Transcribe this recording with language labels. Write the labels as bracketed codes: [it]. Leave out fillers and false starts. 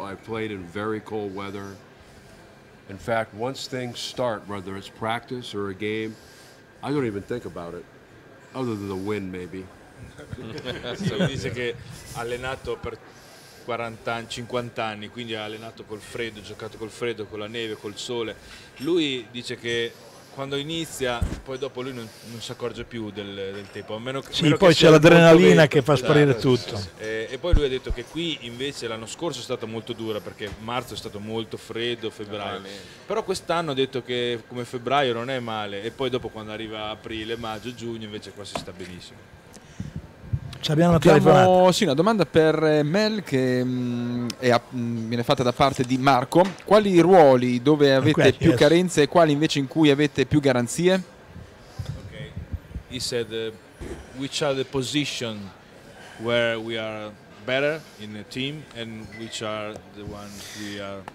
[en] I've played in very cold weather. In fact, once things start, whether it's practice or a game, I don't even think about it, other than the win, maybe. [it] Dice che ha allenato per 40 anni, 50 anni, quindi ha allenato col freddo, giocato col freddo, con la neve, col sole. Lui dice che quando inizia, poi dopo lui non si accorge più del tempo. Poi c'è l'adrenalina che fa sparire tutto. Sì. E poi lui ha detto che qui invece l'anno scorso è stata molto dura, perché marzo è stato molto freddo, febbraio. Però quest'anno ha detto che come febbraio non è male, e poi dopo quando arriva aprile, maggio, giugno, invece qua si sta benissimo. Ci abbiamo una telefonata. Sì, una domanda per Mel che viene fatta da parte di Marco. Quali ruoli dove avete più carenze e quali invece in cui avete più garanzie? Ok. [en] He said which are the position where we are better in the team and which are the ones we are.